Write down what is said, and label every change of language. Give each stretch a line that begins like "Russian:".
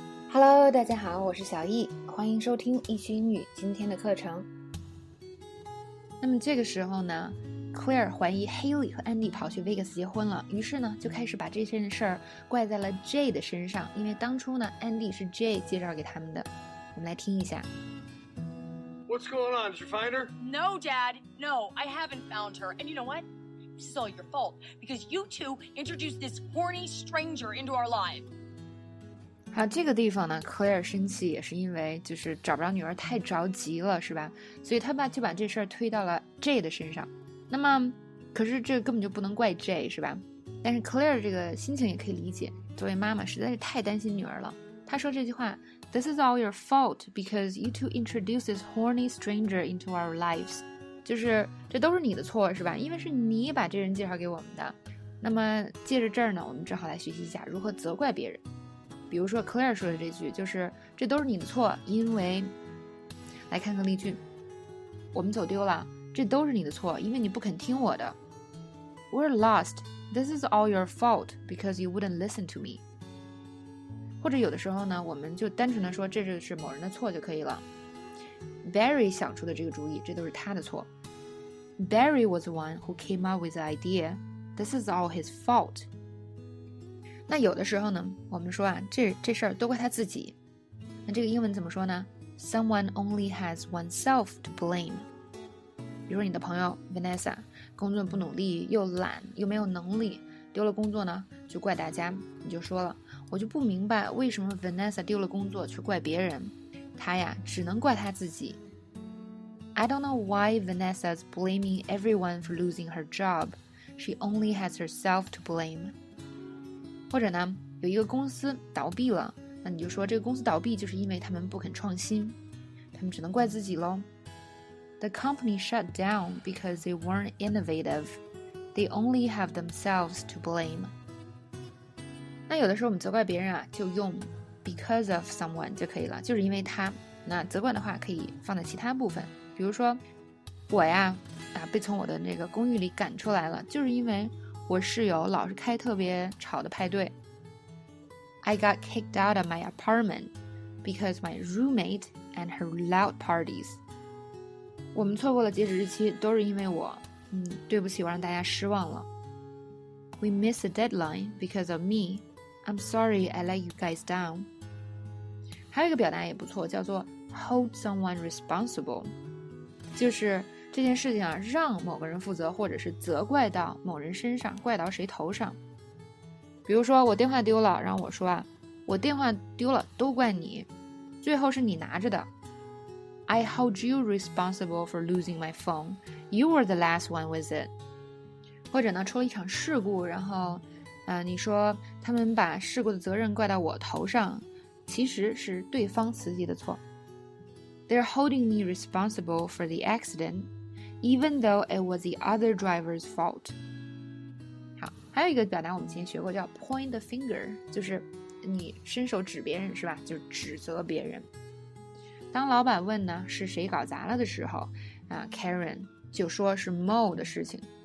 English: Hello，
Chinese: 大家好，我是小易，欢迎收听易趣英语今天的课程。那么这个时候呢 ，Claire 怀疑 Haley 和 Andy 跑去 Vegas 结婚了，于是呢就开始把这件事儿怪在了 Jay 的身上，因为当初呢 ，Andy 是 Jay 介绍给他们的。我们来听一下。
English: What's going on? Did you find her? No, Dad. No, I haven't found her. And you know what? This is all your fault because you two introduced this horny stranger into our life.
Chinese: 好，这个地方呢 ，Claire 生气也是因为就是找不着女儿太着急了，是吧？所以他爸就把这事儿推到了 Jay 的身上。那么，可是这根本就不能怪 Jay， 是吧？但是 Claire 这个心情也可以理解，作为妈妈实在是太担心女儿了。她说这句话 ：
English: “This is all your fault because you two introduced this horny stranger into our lives。”
Chinese: 就是这都是你的错，是吧？因为是你把这人介绍给我们的。那么借着这儿呢，我们正好来学习一下如何责怪别人。比如说 Claire 说的这句就是这都是你的错，因为来看看例句，我们走丢了，这都是你的错，因为你不肯听我的。
English: We're lost. This is all your fault because you wouldn't listen to me.
Chinese: 或者有的时候呢，我们就单纯的说这就是某人的错就可以了。 Barry 想出的这个主意，这都是他的错。
English: Barry was the one who came up with the idea. This is all his fault.
Chinese: 那有的时候呢，我们说啊，这事儿都怪他自己。那这个英文怎么说呢 ？
English: Someone only has oneself to blame。
Chinese: 比如说你的朋友 Vanessa， 工作不努力，又懒，又没有能力，丢了工作呢，就怪大家。你就说了，我就不明白为什么 Vanessa 丢了工作却怪别人，他呀只能怪他自己。
English: I don't know why Vanessa's blaming everyone for losing her job. She only has herself to blame.
Chinese: 或者呢，有一个公司倒闭了，那你就说这个公司倒闭就是因为他们不肯创新，他们只能怪自己咯。
English: The company shut down because they weren't innovative. They only have themselves to blame.
Chinese: 那有的时候我们责怪别人啊，就用
English: because of someone
Chinese: 就可以了，就是因为他。那责怪的话可以放在其他部分，比如说我呀被从我的那个公寓里赶出来了，就是因为我室友老是开特别吵的派对。
English: I got kicked out of my apartment because my roommate and her loud parties.
Chinese: 我们错过了截止日期都是因为我，对不起，我让大家失望了。
English: We missed the deadline because of me. I'm sorry I let you guys down.
Chinese: 还有一个表达也不错，叫做
English: hold someone responsible，
Chinese: 就是这件事情啊，让某个人负责，或者是责怪到某人身上，怪到谁头上。比如说我电话丢了，然后我说啊，我电话丢了都怪你，最后是你拿着的。
English: I hold you responsible for losing my phone. You were the last one with it.
Chinese: 或者呢，出了一场事故，然后，你说他们把事故的责任怪到我头上，其实是对方司机的错。
English: They're holding me responsible for the accident, even though it was the other driver's fault.
Chinese: 好，还有一个表达我们之前学过叫
English: point the finger，
Chinese: 就是你伸手指别人是吧？就指责别人。当老板问呢是谁搞砸了的时候，Karen 就说是 Mo 的事情。